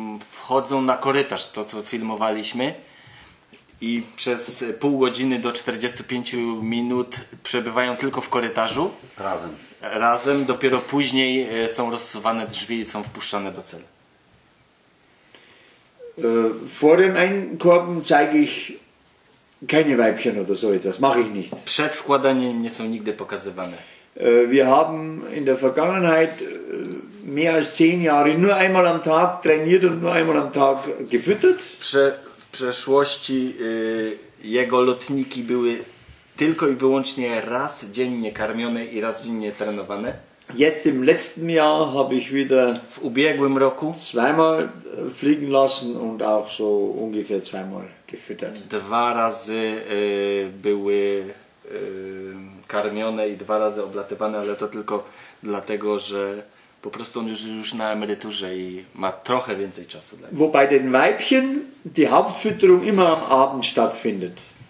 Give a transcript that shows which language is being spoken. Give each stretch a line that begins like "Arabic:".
Polish: wchodzą na korytarz, to co filmowaliśmy, i przez pół godziny do 45 minut przebywają tylko w korytarzu. Razem. Razem, dopiero później są rozsuwane drzwi i są wpuszczane do celu.
German: Vor dem Einkorben zeige ich keine Weibchen oder so etwas, mache ich nicht.
Polish: Przed wkładaniem nie są nigdy pokazywane.
German: Wir haben in der Vergangenheit mehr als 10 Jahre nur einmal am Tag trainiert und nur einmal am Tag gefüttert.
Polish: W przeszłości jego lotniki były tylko i wyłącznie raz dziennie karmione i raz dziennie trenowane.
German: Jetzt im letzten Jahr habe ich wieder
Polish: w ubiegłym roku
German: zweimal fliegen lassen und auch so ungefähr zweimal gefüttert.
Polish: Dwa razy były karmione i dwa razy oblatywane, ale to tylko dlatego, że po prostu on już na emeryturze i ma trochę więcej czasu dla niego.
German: Wobei den Weibchen die Hauptfütterung immer am Abend stattfindet.